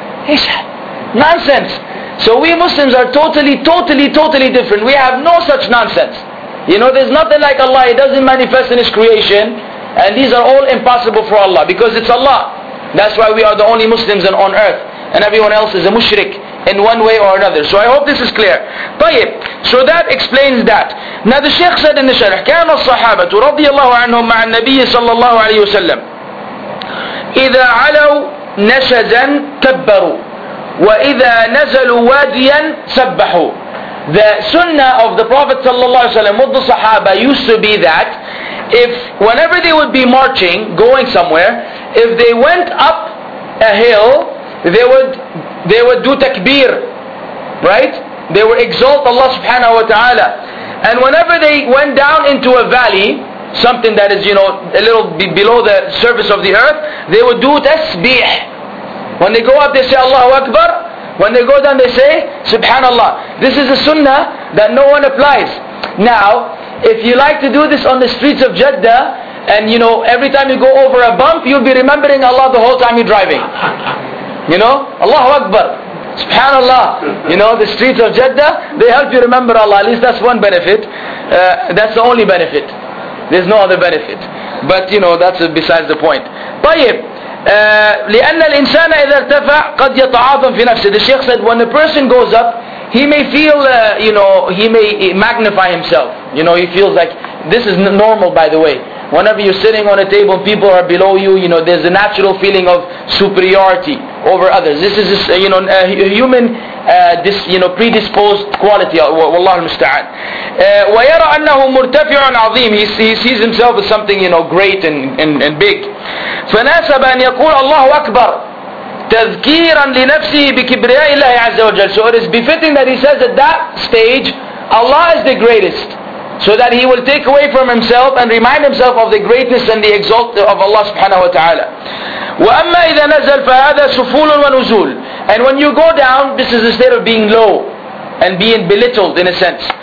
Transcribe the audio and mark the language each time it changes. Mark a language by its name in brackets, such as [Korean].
[English] He said, nonsense. So we Muslims are totally, totally, totally different. We have no such nonsense. You know, there's nothing like Allah. It doesn't manifest in His creation. And these are all impossible for Allah, because it's Allah. That's why we are the only Muslims on earth. And everyone else is a mushrik in one way or another. So I hope this is clear. طيب. So that explains that. Now the Shaykh said in the Sharh, [Arabic] كان الصحابة رضي الله عنهم مع النبي صلى الله عليه وسلم إذا علوا نشزا كبروا وإذا نزلوا واديا سبحوا. [English] The sunnah of the Prophet صلى الله عليه وسلم with the Sahaba used to be that if whenever they would be marching, going somewhere, if they went up a hill, they would do takbir, right? They would exalt Allah subhanahu wa ta'ala. And whenever they went down into a valley, something that is, you know, a little below the surface of the earth, they would do tasbih. When they go up, they say Allahu Akbar. When they go down, they say Subhanallah. This is a sunnah that no one applies. Now, if you like to do this on the streets of Jeddah, and you know, every time you go over a bump, you'll be remembering Allah the whole time you're driving. You know, Allahu Akbar, Subhanallah. You know, the streets of Jeddah, they help you remember Allah. At least that's one benefit. That's the only benefit. There's no other benefit. But you know, that's besides the point. [Arabic] طيب. لأن الإنسان إذا ارتفع قد يتعاظم في نفسه. [English] The Sheikh said, when a person goes up, he may feel, you know, he may magnify himself. You know, he feels like, this is normal, by the way. Whenever you're sitting on a table, people are below you, you know, there's a natural feeling of superiority over others. This is, just, you know, a human, this, you know, predisposed quality. [Arabic] Wallahu al-musta'an. ويرى أنه مرتفع عظيم. [English] He sees himself as something, you know, great and big. [Arabic] فناسب أن يقول الله أكبر تذكيرا لنفسه بكبرياء الله عز وجل. [English] So it is befitting that he says at that stage, Allah is the greatest. So that he will take away from himself and remind himself of the greatness and the exalt of Allah subhanahu wa ta'ala. [Arabic] وَأَمَّا إِذَا نَزَلْ فَهَذَا سُفُولٌ وَنُزُولٌ. [English] And when you go down, this is a state of being low and being belittled in a sense.